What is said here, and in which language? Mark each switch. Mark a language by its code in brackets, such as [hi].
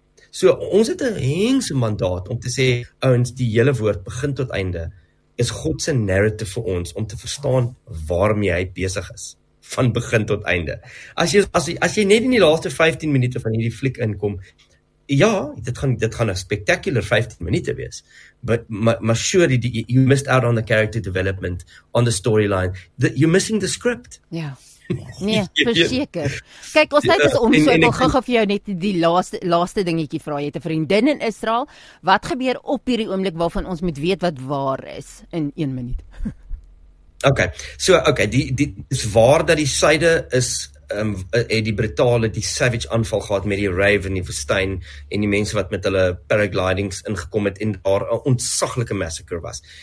[af] So ons het 'n hengse mandaat om te sê, ouens, die hele woord begin tot einde is God se narrative vir ons om te verstaan waarmee hy besig is van begin tot einde. As jy net in die laaste 15 minute van hierdie fliek inkom, ja, dit gaan 'n spectacular 15 minute wees. [en] But surely you missed out on the character development, on the storyline. You're missing the script. [af] Ja. Nee, verseker. Kyk, ons tyd is om, so ek wil gou-gou vir jou net die laaste dingetjie vra. Jy het 'n vriendin in Israel. Wat gebeur op hierdie oomblik waarvan ons moet weet wat waar is in 1 minuut? Okay. So okay, die is waar dat die suide is het die brutale die savage aanval gehad met die rave in die woestyn en die mense wat met hulle paraglidings ingekom het en daar 'n ontsaglike massacre was.